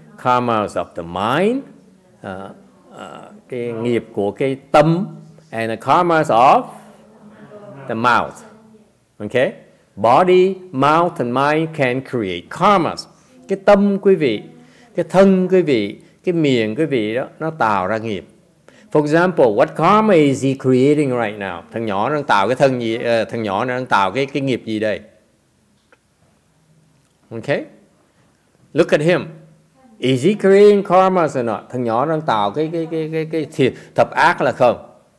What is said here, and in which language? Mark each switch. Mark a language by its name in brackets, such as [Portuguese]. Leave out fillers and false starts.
[English] Karmas of the mind, [Vietnamese] cái nghiệp của cái tâm. [English] And the karmas of the mouth. Okay? Body, mouth and mind can create karmas. [Vietnamese] Cái tâm quý vị, cái thân quý vị, cái miệng quý vị đó, nó tạo ra nghiệp. [English] For example, what karma is he creating right now? [Vietnamese] Thằng nhỏ đang tạo cái thân gì, thằng nhỏ đang tạo cái nghiệp gì đây? [English] Okay? Look at him. Is he creating karmas or not? [Vietnamese] Thằng nhỏ đang tạo cái thập ác là không?